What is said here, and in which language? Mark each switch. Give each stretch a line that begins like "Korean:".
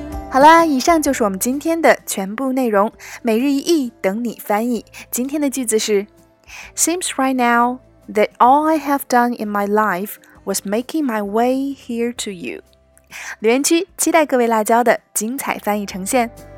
Chinese: 好啦，以上就是我们今天的全部内容，每日一译等你翻译。今天的句子是
English: Seems right now that all I have done in my life was making my way here to you.
Chinese: 留言区期待各位辣椒的精彩翻译呈现。